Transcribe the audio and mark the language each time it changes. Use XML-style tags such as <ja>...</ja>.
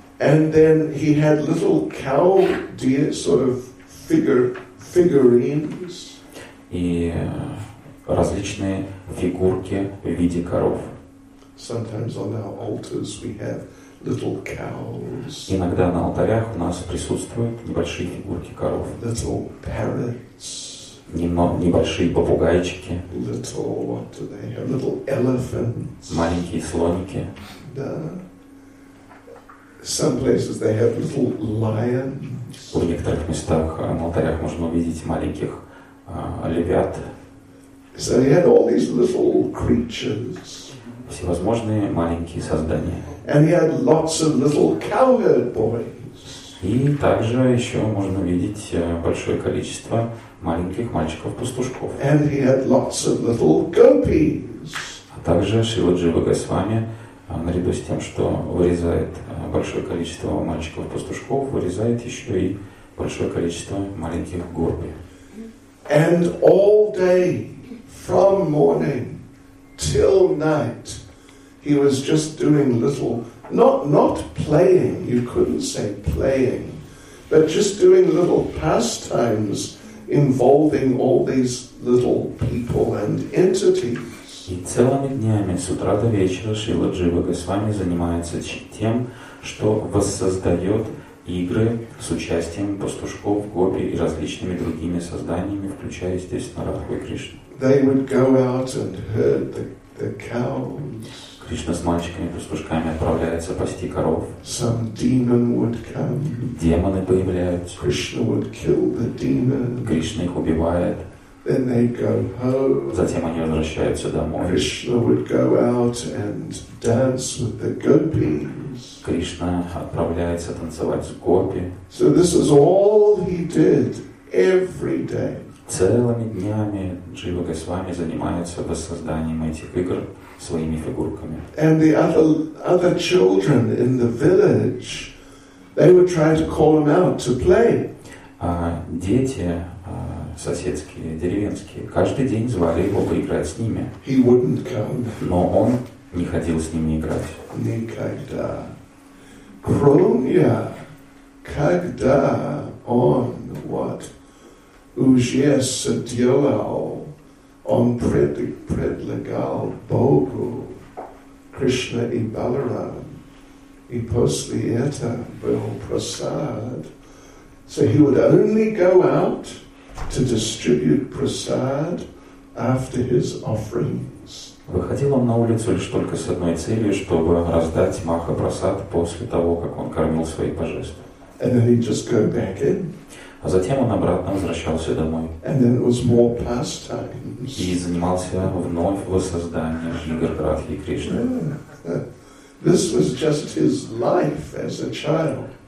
<en>And then he had little cow deer sort of figurines.</en> <ru>И различные фигурки в виде коров.</ru> <en>Sometimes on our altars we have little cows.</en> <ru>Иногда на алтарях у нас присутствуют небольшие фигурки коров.</ru> <en>Little parrots.</en> <ru>Небольшие попугайчики.</ru> <en>Little, what do they have? Little elephants.</en> <ru>Маленькие слоники. Да.</ru> <en>Some places they have little lions.</en> <ru>В некоторых местах на алтарях можно увидеть маленьких львят.</ru> <en>So they had all these little creatures.</en> <ru>Всевозможные маленькие создания.</ru> <en>And he had lots of little cowherd boys.</en> <ru>И также еще можно видеть большое количество маленьких мальчиков-пастушков.</ru> <en>And he had lots of little gopis.</en> <ru>А также Шрила Джива Госвами, наряду с тем, что вырезает большое количество мальчиков-пастушков, вырезает еще и большое количество маленьких гопи.</ru> <en>And all day, from morning till night, he was just doing little, not playing, you couldn't say playing, but just doing little pastimes involving all these little people and entities.</en> <ru>И целыми днями, с утра до вечера, Шрила Джива Госвами занимается тем, что воссоздает игры с участием пастушков, гопи и различными другими созданиями, включая, естественно, Радху и Кришну.</ru> <en>They would go out and herd the cows.</en> <ru>Кришна с мальчиками-пастушками отправляется пасти коров.</ru> <en>Some demon would come.</en> <ru>Демоны появляются.</ru> <en>Krishna would kill the demon.</en> <ru>Кришна их убивает.</ru> <en>Then they go home.</en> <ru>Затем они возвращаются домой.</ru> <en>Krishna would go out and dance with the gopis.</en> <ru>Кришна отправляется танцевать с гопи.</ru> <en>So this is all he did every day.</en> <ru>Целыми днями Джива Госвами занимается воссозданием этих игр своими фигурками.</ru> <en>And the other children in the village, they would try to call him out to play.</en> <ru>Дети соседские, деревенские, каждый день звали его поиграть с ними.</ru> <en>He wouldn't come.</en> <ru>Но он не ходил с ними играть. Никогда. Кроме когда он вот уже сделал, он предлагал Богу Кришна и Баларам, и после это был прасад.</ru> <en>So he would only go out to distribute prasad after his offerings.</en> <ru>Выходил он на улицу лишь только с одной целью, чтобы раздать Маха прасад после того, как он кормил свои божества.</ru> <en>And then he'd just go back in.</en> <ru>А затем он обратно возвращался домой.</ru> <en>And then it was more pastimes.</en> <ru>И занимался вновь воссозданием игр Радхи и Кришны.</ru> <en>This was just his life as a child.</en>